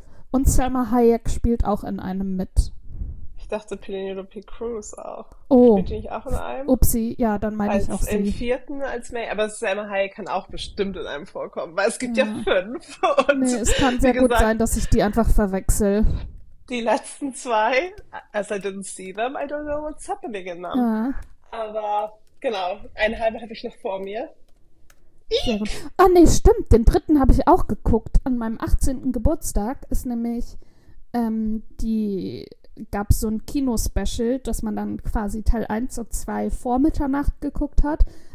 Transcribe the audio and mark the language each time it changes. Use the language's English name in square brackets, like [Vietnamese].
[German] Und Selma Hayek spielt auch in einem mit. Ich dachte, Penelope Cruz auch. Oh. Spielt die nicht auch in einem? Upsi, ja, dann meine ich auch sie. Im vierten als May. Aber Selma Hayek kann auch bestimmt in einem vorkommen, weil es gibt ja 5. Und nee, es kann sehr gut sein, dass ich die einfach verwechsel. Die letzten 2, [English] as I didn't see them, I don't know what's happening in them. [German] Ja. Aber genau, eine halbe habe ich noch vor mir. Ah nee, stimmt, den dritten habe ich auch geguckt. An meinem 18. Geburtstag ist nämlich, gab es so ein Kino-Special, dass man dann quasi Teil 1 und 2 vor Mitternacht geguckt hat.